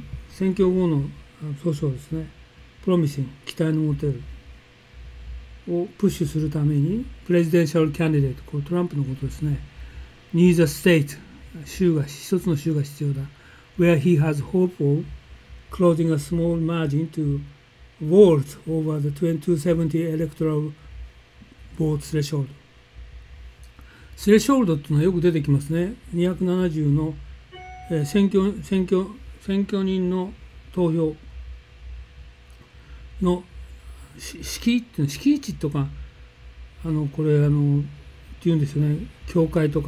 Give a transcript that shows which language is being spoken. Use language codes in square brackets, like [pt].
[ja] 選挙後の訴訟ですね。 Promising、 期待の持てるをプッシュするために、 [en] Presidential candidate、 [ja] これトランプのことですね。 [en] Needs a state、 [ja] 州が、一つの州が必要だ。 [en] Where he has hope of closing a small margin to vault over the 2270 electoral vote threshold。 [ja] スレッショールドっていうのはよく出てきますね。270の、選挙人の投票の敷居っていうの、敷地とか、これ、っていうんですよね。教会とか。